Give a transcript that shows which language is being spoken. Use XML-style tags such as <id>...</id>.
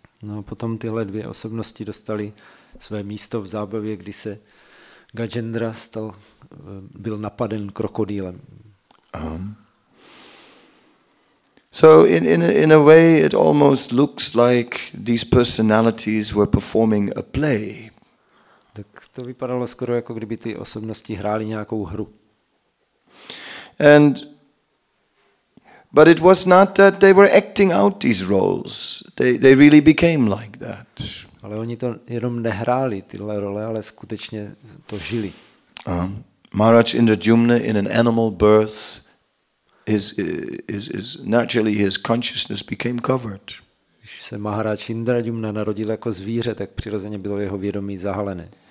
<cs>No potom tyhle dvě osobnosti dostali své místo v zábavě, kdy se Gajendra stal byl napaden krokodýlem.</cs> <en>So in a way it almost looks like these personalities were performing a play.</en> <cs>Tak to vypadalo skoro jako kdyby ty osobnosti hrály nějakou hru.</cs> <en>But it was not that they were acting out these roles. They really became like that.</en> <cs>Ale oni to jenom nehráli tyhle role, ale skutečně to žili.</cs> <en>Maharaj Indrajumna in an animal birth is naturally his consciousness became covered.</en> <cs>Když se Maharaj Indrajumna narodil jako zvíře, tak přirozeně bylo jeho vědomí zahalené.</cs>